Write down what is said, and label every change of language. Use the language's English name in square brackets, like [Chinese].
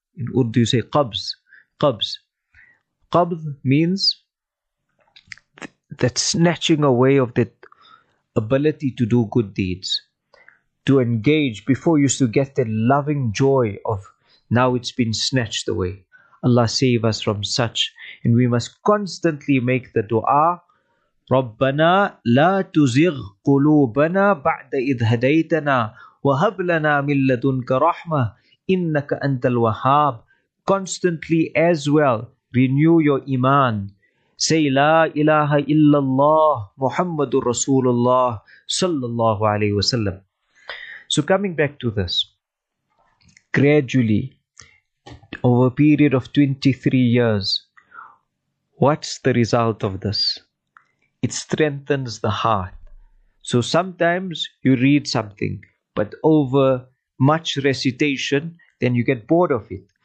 [English] In Urdu you say qabz. Qabz. Qabd means that snatching away of that ability to do good deeds, to engage. Before you used to get the loving joy of, now it's been snatched away. Allah save us from such. And we must constantly make the dua, [Arabic] رَبَّنَا لَا تُزِغْ قُلُوبَنَا بَعْدَ إِذْ هَدَيْتَنَا وَهَبْ لَنَا مِنْ لَدُنْكَ رَحْمَةً إِنَّكَ أَنْتَ الْوَهَّابُ. [English] Constantly as well, renew your iman. Say, [Arabic] لا إله إلا الله محمد رسول الله صلى الله عليه وسلم. [English] So coming back to this, gradually, over a period of 23 years, what's the result of this? It strengthens the heart. So sometimes you read something, but over much recitation, then you get bored of it.